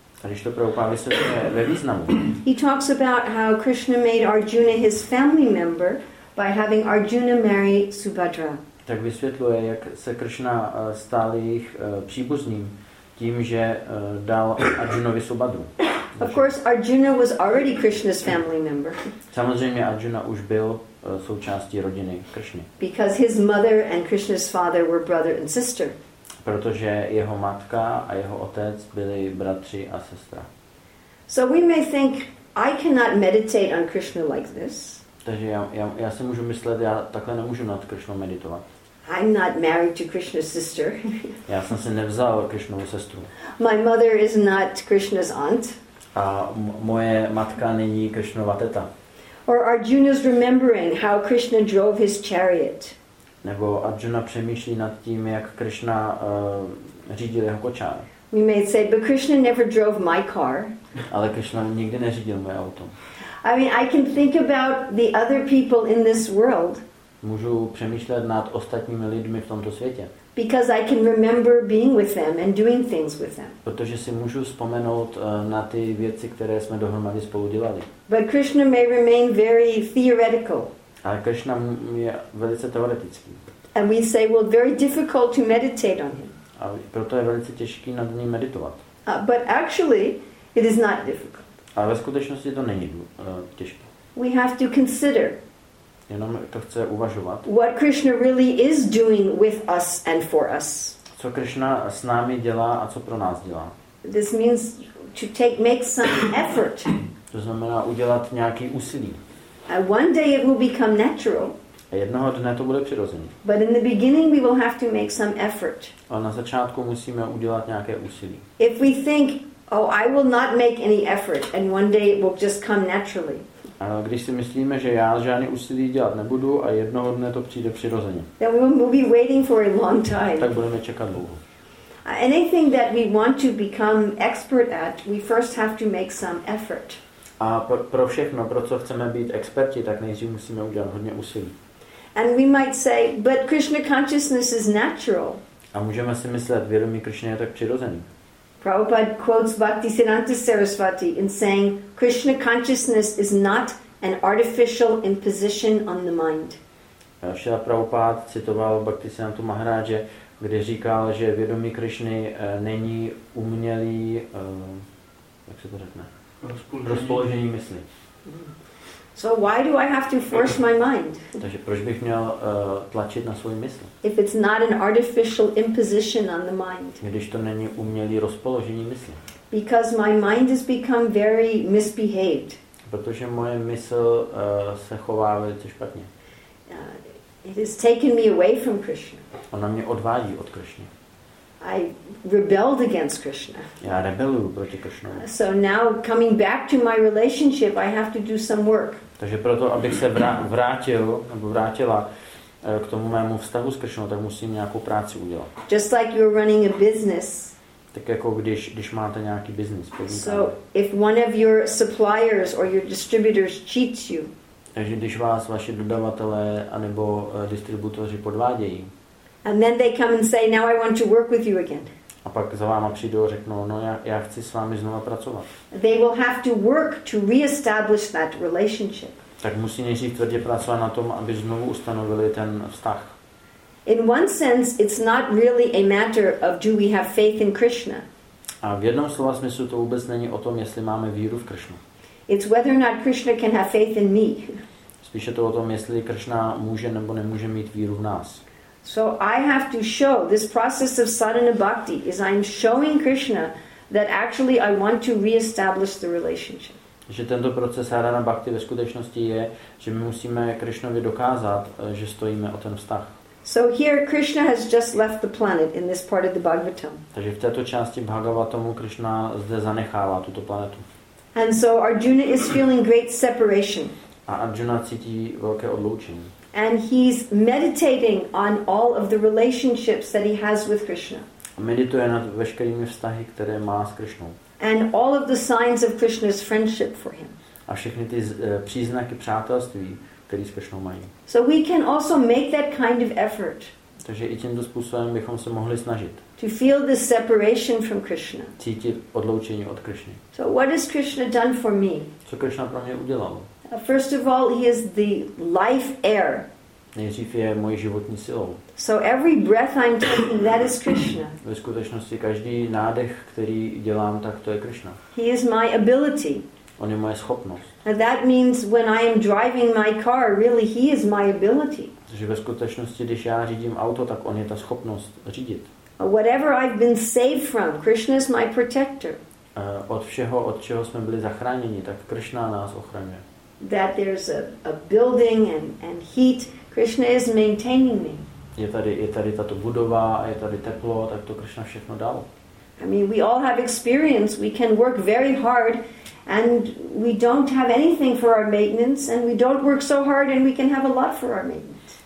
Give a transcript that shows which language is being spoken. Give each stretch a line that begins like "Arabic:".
Czech: když to Prabhupada vysvětluje ve významu,
English: he talks about how Krishna made Arjuna his family member by having Arjuna marry Subhadra.
Czech: Tak vysvětluje, jak se Krishna stal jejich příbuzným tím, že dal Arjunovi Subhadru.
English: Of course, Arjuna was already Krishna's family member.
Czech: Samozřejmě Arjuna už byl součástí rodiny Krishny.
English: Because his mother and Krishna's father were brother and sister.
Czech: Protože jeho matka a jeho otec byli bratři a sestra.
English: So we may think I cannot meditate on Krishna like this.
Czech: Takže já si můžu myslet, já takhle nemůžu nad Krishnou meditovat.
English: I'm not married to Krishna's sister.
Czech: Já jsem si nevzal Krishnovu sestru.
English: My mother is not Krishna's aunt.
Czech: A moje matka není Krishnova teta.
English: Or Arjuna's remembering how Krishna drove his chariot.
Czech: Nebo Arjuna přemýšlí nad tím, jak Krishna řídil jeho kočár.
English: We may say, but Krishna never drove my car.
Czech: Ale Krishna nikdy neřídil moje auto.
English: I mean, I can think about the other people in this world.
Czech: Můžu přemýšlet nad ostatními lidmi v tomto světě.
English: Because I can remember being with them and doing things with them.
Czech: Protože si můžu vzpomenout na ty věci, které jsme dohromady spolu dělali.
English: But Krishna may remain very theoretical.
Czech: Ale Krishna je velice teoretický.
English: And we say, well, very difficult to meditate on him.
Czech: A proto je velice těžký nad ním meditovat.
English: But actually, it is not difficult.
Czech: Ale ve skutečnosti to není těžké.
English: We have to consider.
Czech: Jenom to chce uvažovat.
English: What Krishna really is doing with us and for us.
Czech: Co Krishna s námi dělá a co pro nás dělá.
English: This means to make some effort.
Czech: To znamená udělat nějaký úsilí.
English: One day it will become natural.
Czech: A jednoho dne to bude přirozené.
English: But in the beginning we will have to make some effort.
Czech: A na začátku musíme udělat nějaké úsilí.
English: If we think, oh, I will not make any effort and one day it will just come naturally.
Czech: A když si myslíme, že já žádný úsilí dělat nebudu a jednoho dne to přijde přirozeně.
English: Then we will be waiting for a long time.
Czech: Tak budeme čekat dlouho.
English: Anything that we want to become expert at, we first have to make some effort.
Czech: A pro všechno, pro co chceme být experti, tak nejdřív musíme udělat hodně úsilí.
English: And we might say, but Krishna consciousness is natural.
Czech: A můžeme si myslet, vědomí Krishna je tak přirozený.
English: Prabhupada quotes Bhaktisiddhanta Sarasvati in saying Krishna consciousness is not an artificial imposition on the mind.
Czech: Srila Prabhupada citoval Bhaktisiddhanta Maharaje, kde říkal, že vědomí Krishny není umělý, jak se to řekne? Rozpoložení mysli.
English: So why do I have to force my mind?
Czech: Takže proč bych měl tlačit na svůj mysl?
English: If it's not an artificial imposition on the mind.
Czech: Když to není umělý rozpoložení mysli.
English: Because my mind has become very misbehaved.
Czech: Protože moje mysl se chová velice špatně.
English: It has taken me away from Krishna.
Czech: Ona mě odvádí od Krishny.
English: I rebelled against Krishna.
Czech: Já rebeluju proti Krishnovi.
English: So now coming back to my relationship, I have to do some work.
Czech: Takže proto, abych se vrátila k tomu mému vztahu s Krishnou, tak musím nějakou práci udělat.
English: Just like you're running a business.
Czech: Tak jako když máte nějaký business, podnikání.
English: So if one of your suppliers or your distributors cheats you.
Czech: Takže když vás vaši dodavatelé anebo distributoři podvádějí.
English: And then they come and say, now I want to work with you again.
Czech: A pak za váma přijdou a řeknou, no já chci s vámi znova pracovat.
English: They will have to work to reestablish that relationship.
Czech: Tak musí nejdřív tvrdě pracovat na tom, aby znovu ustanovili ten vztah.
English: In one sense, it's not really a matter of do we have faith in Krishna.
Czech: A v jednom slova smyslu to vůbec není o tom, jestli máme víru v Krishnu.
English: It's whether or not Krishna can have faith in me.
Czech: Spíše to o tom, jestli Krishna může nebo nemůže mít víru v nás.
English: So I have to show this process of sadhana bhakti is I'm showing Krishna that actually I want to reestablish the relationship.
Czech: Že tento proces sadhana bhakti ve skutečnosti je, že my musíme Krishnovi dokázat, že stojíme o ten vztah.
English: So here Krishna has just left the planet in this part of the Bhagavatam.
Czech: Takže v této části Bhagavatamu Krishna zde zanechává tuto planetu.
English: And so Arjuna is feeling great separation.
Czech: A Arjuna cítí velké odloučení.
English: And he's meditating on all of the relationships that he has with Krishna.
Czech: A medituje nad veškerými vztahy, které má s Krishnou.
English: And all of the signs of Krishna's friendship for him.
Czech: A všechny ty příznaky přátelství, které s Krishnou mají.
English: So we can also make that kind of effort.
Czech: Takže i tímto způsobem bychom se mohli snažit.
English: To feel the separation from Krishna.
Czech: Cítit odloučení od Krishny.
English: So what has Krishna done for me?
Czech: Co Krishna pro mě udělal?
English: First of all, he is the life air.
Czech: Nejdřív je mojí životní silou.
English: So every breath I'm taking, that is Krishna.
Czech: Ve skutečnosti každý nádech, který dělám, tak to je Krishna.
English: He is my ability.
Czech: On je moje schopnost.
English: And that means when I am driving my car, really he is my ability.
Czech: Takže ve skutečnosti, když já řídím auto, tak on je ta schopnost řídit.
English: Whatever I've been saved from, Krishna is my protector.
Czech: Od všeho, od čeho jsme byli zachráněni, tak Krishna nás ochraňuje.
English: That there's a building and heat, Krishna is maintaining me.
Czech: Je tady tato budova a je tady teplo, tak to Krishna všechno dal.
English: I mean, we all have experience. We can work very hard and we don't have anything for our maintenance, and we don't work so hard and we can have a lot for our maintenance.